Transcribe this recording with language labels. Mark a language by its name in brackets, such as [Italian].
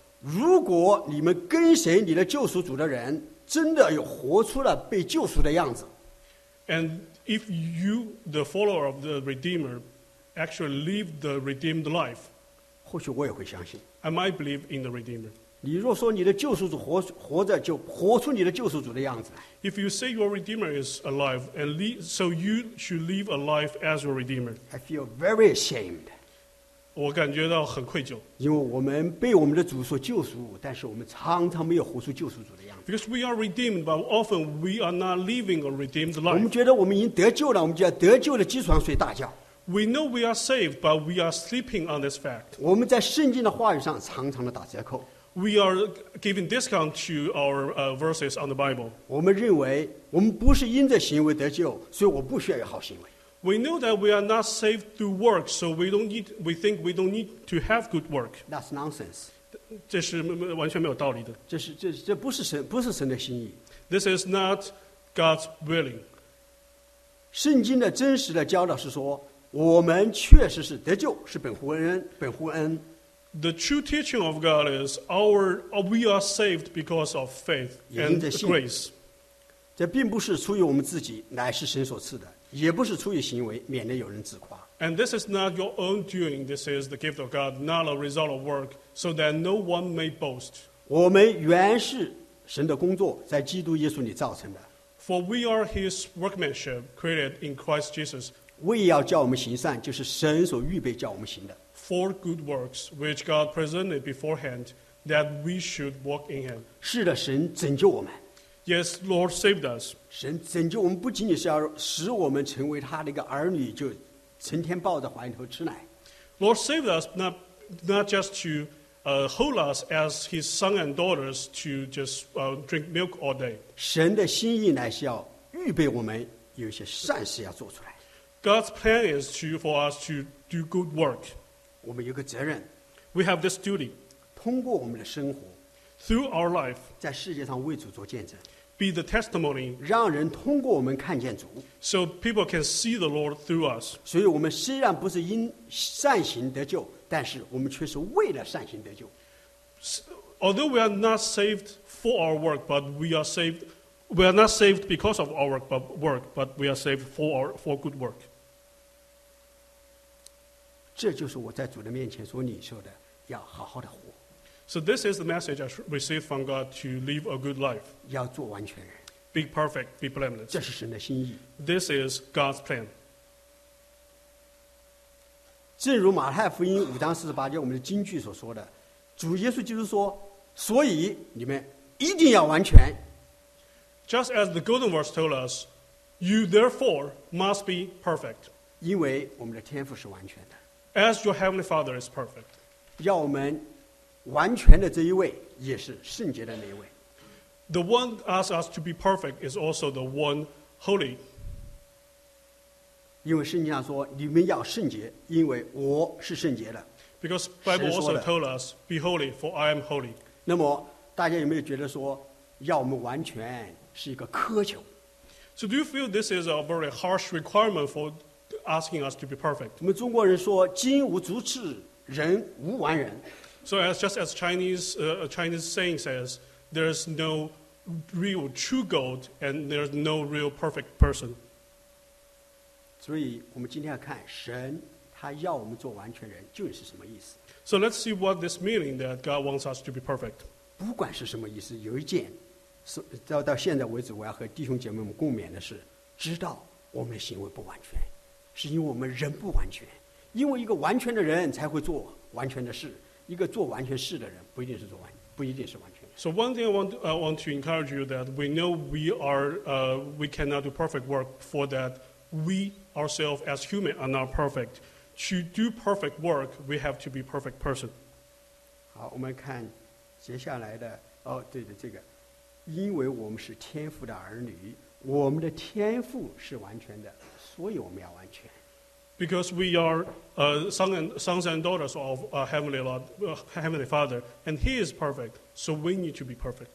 [Chinese] 如果你们跟随你的救赎主的人真的有活出了被救赎的样子 [English] ，and if you, the follower of the Redeemer, actually live the redeemed life, [Chinese] 或许我也会相信。 [English] I might believe in the Redeemer. [Chinese] 你若说你的救赎主活着，就活出你的救赎主的样子。 [English] If you say your Redeemer is alive, and so you should live a life as your Redeemer. I feel very ashamed. [Chinese] 我感觉到很愧疚，因为我们被我们的主所救赎，但是我们常常没有活出救赎主的样子。 [English] Because we are redeemed, but often we are not living a redeemed life. [Chinese] 我们觉得我们已经得救了，我们就要得救的基础上睡大觉。 [English] We know we are saved, but we are sleeping on this fact. [Chinese] 我们在圣经的话语上常常的打折扣。 [English] We are giving discount to our verses on the Bible. [Chinese] 我们认为我们不是因着行为得救，所以我不需要有好行为。 [English] We know that we are not saved through work, so we think we don't need to have good work. That's nonsense. [Chinese] 这是完全没有道理的。这不是神的心意。 [English] This is not God's willing. [Chinese] 圣经的真实的教导是说，我们确实是得救，是本乎恩。 [English] The true teaching of God is we are saved because of faith and grace. [Chinese] 这并不是出于我们自己，乃是神所赐的。也不是出于行为，免得有人自夸。 [English] And this is not your own doing. This is the gift of God, not a result of work, so that no one may boast. [Chinese] 我们原是神的工作，在基督耶稣里造成的。 [English] For we are His workmanship, created in Christ Jesus. [Chinese] 为要叫我们行善，就是神所预备叫我们行的。 [English] For good works, which God presented beforehand, that we should walk in Him. [Chinese] 是的，神拯救我们。 [English] Yes, Lord saved us. [Chinese] 神拯救我们不仅仅是要使我们成为他的一个儿女，就成天抱着怀里头吃奶。 [English] Lord saved us not just to hold us as His son and daughters to just drink milk all day. [Chinese] 神的心意乃是要预备我们有一些善事要做出来。 [English] God's plan is for us to do good work. [Chinese] 我们有个责任。 [English] We have this duty. [Chinese] 通过我们的生活。 [English] Through our life, [Chinese] 在世界上为主做见证 [English] be the testimony, [Chinese] 让人通过我们看见主 [English] so people can see the Lord through us. [Chinese] 所以我们虽然不是因善行得救，但是我们却是为了善行得救。 [English] Although we are not saved for our work, but we are saved. We are not saved because of our work, but we are saved for good work. [Chinese] 这就是我在主的面前所领受的，要好好的活。 [English] So this is the message I received from God to live a good life. [Chinese] 要做完全人。 [English] Be perfect, be blameless. [Chinese] 这是神的心意。 [English] This is God's plan. [Chinese] 正如马太福音五章四十八节我们的金句所说的，主耶稣基督说，所以你们一定要完全。 [English] Just as the golden verse told us, you therefore must be perfect. [Chinese] 因为我们的天父是完全的。 [English] As your heavenly Father is perfect. [Chinese] 要我们完全的这一位也是圣洁的那一位。 [English] The one asks us to be perfect is also the one holy. [Chinese] 因为圣经上说，你们要圣洁，因为我是圣洁的。 [English] Because Bible also told us, be holy, for I am holy. [Chinese] 那么大家有没有觉得说，要我们完全是一个苛求？ [English] So do you feel this is a very harsh requirement for asking us to be perfect? [Chinese] 我们中国人说，金无足赤，人无完人。 [English] So as just as Chinese, Chinese saying says, there is no real true gold and there is no real perfect person. [Chinese] 所以我们今天要看神他要我们做完全人究竟是什么意思。 [English] So let's see what this meaning that God wants us to be perfect. [Chinese] 不管是什么意思，有一件到现在为止我要和弟兄姐妹们共勉的是，知道我们的行为不完全是因为我们人不完全，因为一个完全的人才会做完全的事，一个做完全事的人不一定是做完，不一定是完全。 [English] So one thing I want to encourage you that we know we cannot do perfect work, for that we ourselves as human are not perfect. To do perfect work, we have to be perfect person. [Chinese] 好，我们看接下来的哦，对的，这个，因为我们是天父的儿女，我们的天父是完全的，所以我们要完全。 [English] Because we are sons and daughters of Heavenly Lord, Heavenly Father, and He is perfect, so we need to be perfect.